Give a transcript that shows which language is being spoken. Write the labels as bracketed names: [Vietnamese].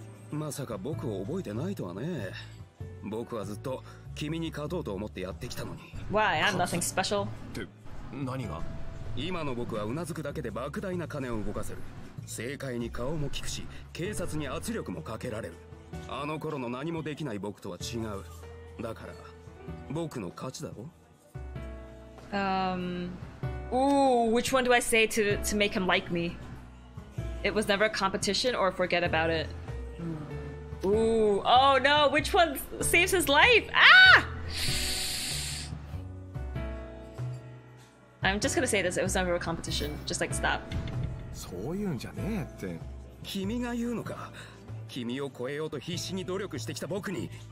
[Japanese] まさか僕を覚えてないとはね。僕はずっと君に勝とうと思ってやってきたのに。 [English] Why? I'm nothing special. [Japanese] って何が？今の僕はうなずくだけで莫大な金を動かせる。政界に顔も利くし、警察に圧力もかけられる。あの頃の何もできない僕とは違う。だから僕の勝ちだろ。 [English] Which one do I say to make him like me? It was never a competition or forget about it. Ooh, oh no, which one saves his life? Ah! I'm just gonna say this, it was never a competition. Just like, stop. [Japanese] そういうんじゃねえって。君が言うのか。君を超えようと必死に努力してきた僕に。